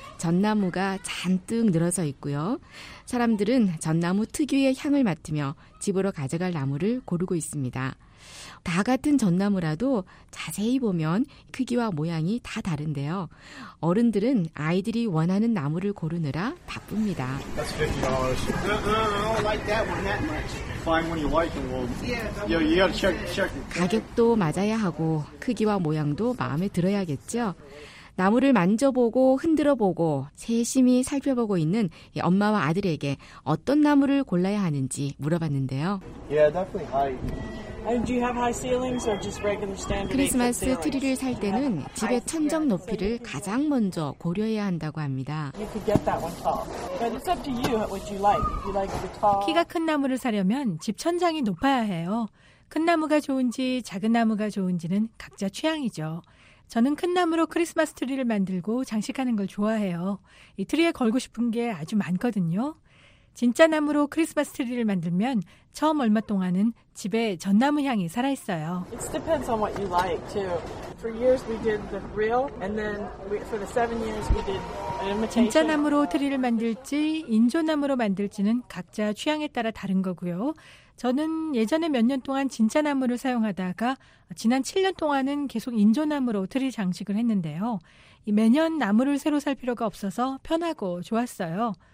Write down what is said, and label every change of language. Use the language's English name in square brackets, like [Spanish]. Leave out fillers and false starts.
[Korean] 전나무가 잔뜩 늘어서 있고요. 사람들은 전나무 특유의 향을 맡으며 집으로 가져갈 나무를 고르고 있습니다. 다 같은 전나무라도 자세히 보면 크기와 모양이 다 다른데요. 어른들은 아이들이 원하는 나무를 고르느라 바쁩니다. [English] That's $50. I don't like that one that much. Find one you like and we'll check. [Korean] 가격도 맞아야 하고 크기와 모양도 마음에 들어야겠죠. 나무를 만져보고 흔들어보고 세심히 살펴보고 있는 엄마와 아들에게 어떤 나무를 골라야 하는지 물어봤는데요. [English] Yeah, definitely high. And do you have high ceilings or just regular standard? [Korean] 크리스마스 트리를 살 때는 집의 천정 높이를 가장 먼저 고려해야 한다고 합니다. [English] You could get that one tall. But it's up to you what you like. If you like the tall. [Korean] 키가 큰 나무를 사려면 집 천장이 높아야 해요. 큰 나무가 좋은지 작은 나무가 좋은지는 각자 취향이죠. 저는 큰 나무로 크리스마스 트리를 만들고 장식하는 걸 좋아해요. 이 트리에 걸고 싶은 게 아주 많거든요. 진짜 나무로 크리스마스 트리를 만들면 처음 얼마 동안은 집에 전나무 향이 살아있어요. [English] It depends on what you like too. For years we did the real, and then for the 7 years we did [Korean] 진짜 나무로 트리를 만들지 인조나무로 만들지는 각자 취향에 따라 다른 거고요. 저는 예전에 몇 년 동안 진짜 나무를 사용하다가 지난 7년 동안은 계속 인조나무로 트리 장식을 했는데요. 매년 나무를 새로 살 필요가 없어서 편하고 좋았어요.